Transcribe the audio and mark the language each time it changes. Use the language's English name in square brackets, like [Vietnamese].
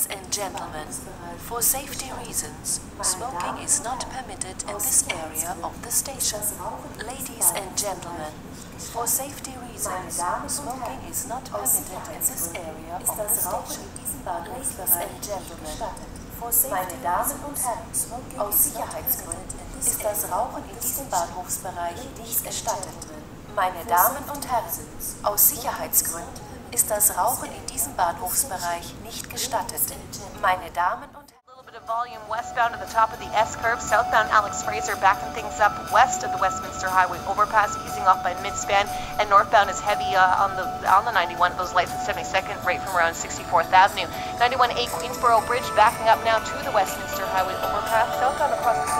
[English] gentlemen, for safety reasons, smoking is not permitted in this area of the station. Ladies and gentlemen, for safety reasons, smoking is not permitted in this area of the station. Ladies and gentlemen, for safety reasons, smoking is not permitted in this area of the station. [German] Ist das Rauchen in diesem Bahnhofsbereich nicht gestattet? Meine Damen und Herren, aus Sicherheitsgründen ist das Rauchen in diesem Bahnhofsbereich nicht gestattet. Meine Damen und Herren. [English] A little bit of volume westbound at the top of the S-curve. Southbound Alex Fraser backing things up west of the Westminster Highway overpass, easing off by midspan. And northbound is heavy on the 91, those lights at 72nd, right from around 64th Avenue. 91A Queensboro Bridge backing up now to the Westminster Highway overpass. Southbound across.